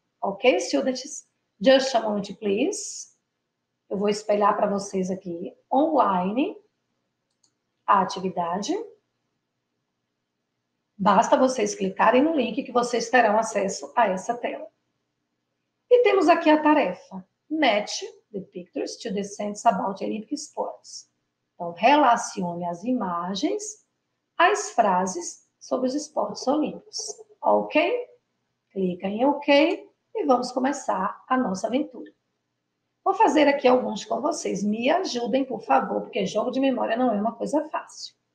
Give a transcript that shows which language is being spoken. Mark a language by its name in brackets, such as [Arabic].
[English] Ok, students? Just a moment, please. [Portuguese] Eu vou espelhar para vocês aqui online a atividade. Basta vocês clicarem no link que vocês terão acesso a essa tela. E temos aqui a tarefa. [English] Match the pictures to the sentence about Olympic sports. [Portuguese] Então, relacione as imagens às frases sobre os esportes olímpicos. Ok? Clica em OK e vamos começar a nossa aventura. Vou fazer aqui alguns com vocês. Me ajudem, por favor, porque jogo de memória não é uma coisa fácil.